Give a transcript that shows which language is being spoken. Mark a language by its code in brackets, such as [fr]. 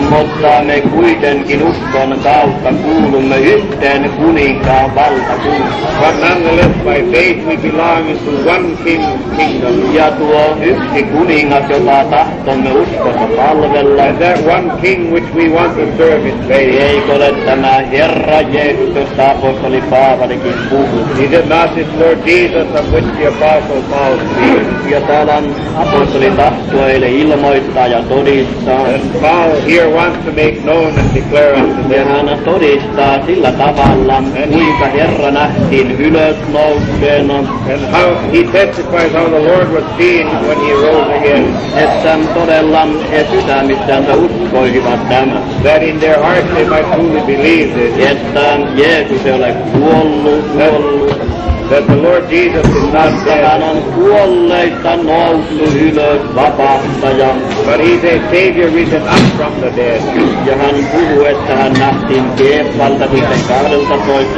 [fi] Mutta me kuitenkin uskon kautta kuulumme yhteen kuninkaan valtakuntaan. [en] But nonetheless by faith we belong to one kingdom. [fi] Ja tuo yksi kuningas, jota tahtomme uskossa palvella. [en] And that one king which we want to serve in faith. [fi] Eikö ole tämä Herra Jeesus, josta apostoli Paavalikin puhut? [en] Is it not his Lord Jesus of which the apostle Paul speaks? [fi] Ja täällä apostoli tahtoo heille ilmoittaa ja todistaa. [en] Paul here wants to make known and declare unto them. [fi] Hän todistaa sillä tavalla, kuinka Herra nähtiin ylösnouseen. [en] And how he testifies how the Lord was seen when he rose again. [fi] Että todella he sitä, mistä he uskoivat tämä. [en] That in their hearts they might truly believe this. [fi] Että Jeesus ei ole kuollut. [en] That the Lord Jesus is not dead. [fi] Hän on kuolleista noussut ylös vapahtajan. [en] But he's a Savior risen up from the dead. [fi] Ja hän puhuu, että hän nähtiin Keefalta sitten 12.